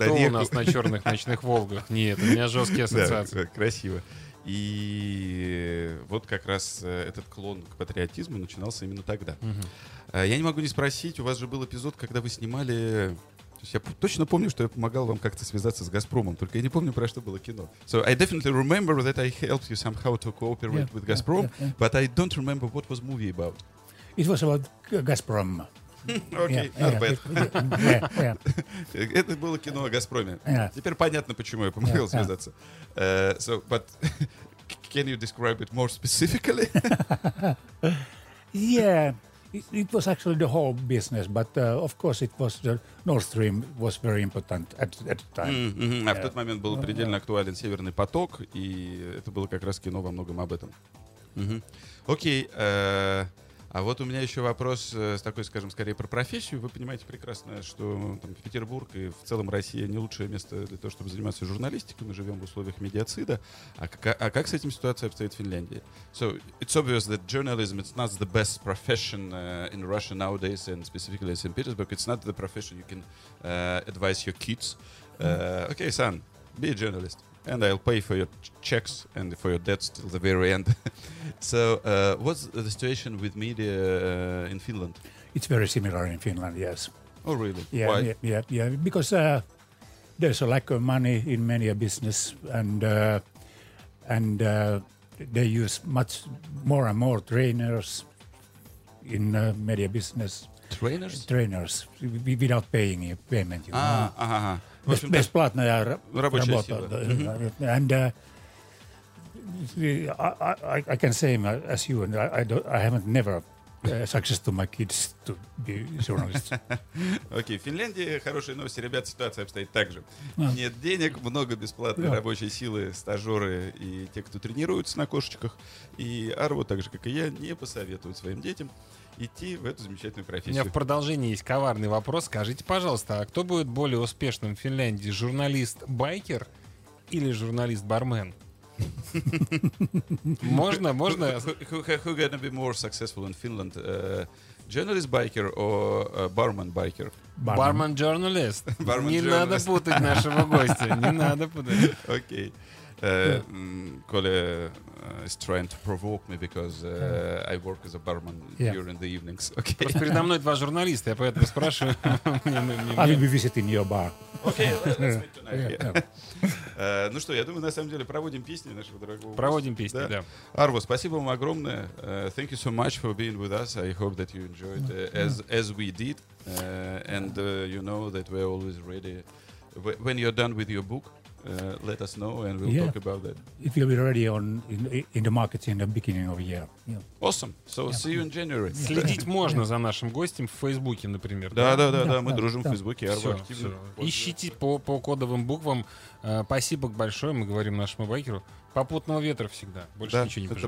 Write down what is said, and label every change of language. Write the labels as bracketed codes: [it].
[ru] Кто у нас на черных ночных Волгах? Нет, у меня жесткие ассоциации. Да, красиво. И вот как раз этот клон к патриотизму начинался именно тогда. Угу. Я не могу не спросить, у вас же был эпизод, когда вы снимали... Я точно помню, что я помогал вам как-то связаться с Газпромом, только я не помню, про что было кино. [en] So I definitely remember that I helped you somehow to cooperate with Gazprom, but I don't remember what was movie about. It was about Gazprom. Окей, not bad. [ru] Это было кино о Газпроме. Теперь понятно, почему я помогал связаться. [en] So, but can you describe it more specifically? Yeah. It was actually the whole business, but of course it was the Nord Stream was very important at the time. Mm-hmm. [ru] А в тот момент был предельно актуален Северный поток, и это было как раз кино во многом об этом. Окей, а вот у меня еще вопрос с такой, скажем, скорее про профессию. Вы понимаете прекрасно, что там, Петербург и в целом Россия не лучшее место для того, чтобы заниматься журналистикой. Мы живем в условиях медиацида. А как с этим ситуация обстоит в Финляндии? [en] So it's obvious that journalism is not the best profession in Russia nowadays, and specifically in St. Petersburg. It's not the profession you can advise your kids. Okay, son, be a journalist. And I'll pay for your checks and for your debts till the very end. So, what's the situation with media in Finland? It's very similar in Finland, yes. Oh, really? Yeah, why? Yeah. Because there's a lack of money in many a business, and they use much more and more trainers in media business. Trainers? Trainers, without paying you, payment. You know? [ru] Бесплатная работа. Mm-hmm. [en] And I can say as you, and I haven't never success to my kids to be journalists. [ru] Окей, в Финляндии хорошие новости, ребят, ситуация обстоит так же. Нет денег, много бесплатной рабочей силы, стажеры и те, кто тренируются на кошечках. И Арво, так же, как и я, не посоветуют своим детям идти в эту замечательную профессию. У меня в продолжении есть коварный вопрос. Скажите, пожалуйста, а кто будет более успешным в Финляндии? Журналист-байкер или журналист-бармен? Можно, можно? [en] Who gonna be more successful in Finland? Journalist-байкер or barman-байкер? Barman-journalist. [ru] Не надо путать нашего гостя. Не надо путать. Окей. [en] Коля is trying to provoke me because I work as a barman during the evenings. Okay. [ru] Просто передо мной два журналиста, я поэтому спрашиваю. [en] I will be visiting your bar. Okay, let's meet tonight. Ну что, я думаю, на самом деле проводим песни нашего дорогого. Проводим песни, да. Арво, спасибо вам огромное. Thank you so much for being with us. I hope that you enjoyed as we did. You know that we're always ready. When you're done with your book, let us know and we'll talk about that. It will be ready in the market in the beginning of the year. Yeah. Awesome. So see you in January. [ru] Следить можно за нашим гостем в Фейсбуке, например. Да, мы дружим в Фейсбуке. Все. Ищите по кодовым буквам. Спасибо большое, мы говорим нашему байкеру. Попутного ветра всегда. Больше ничего не пожелаем.